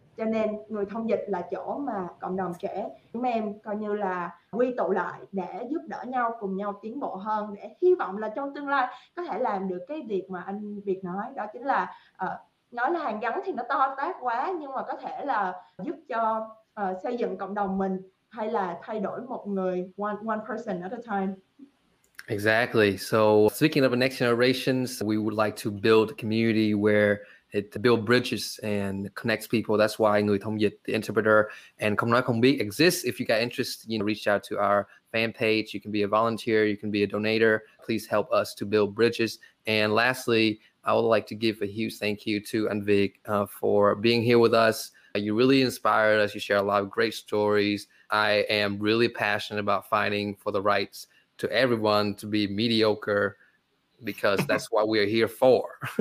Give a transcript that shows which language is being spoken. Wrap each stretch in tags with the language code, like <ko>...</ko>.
<vi>Cho nên người thông dịch là chỗ mà cộng đồng trẻ chúng em coi như là quy tụ lại để giúp đỡ nhau, cùng nhau tiến bộ hơn, để hy vọng là trong tương lai có thể làm được cái việc mà anh Việt nói, đó chính là nói là hàn gắn thì nó to tát quá, nhưng mà có thể là giúp cho xây dựng cộng đồng mình, hay là thay đổi một người,</vi> <en>one person at a time. Exactly. So speaking of the next generations, we would like to build a community where it builds bridges and connects people. That's why Người Thông Dịch, the interpreter, and Không Nói Không Biết exists. If you got interest, you know, reach out to our fan page. You can be a volunteer, you can be a donator. Please help us to build bridges. And lastly, I would like to give a huge thank you to Anh Việt for being here with us. You really inspired us. You share a lot of great stories. I am really passionate about fighting for the rights to everyone to be mediocre, because that's what we are here for.</en>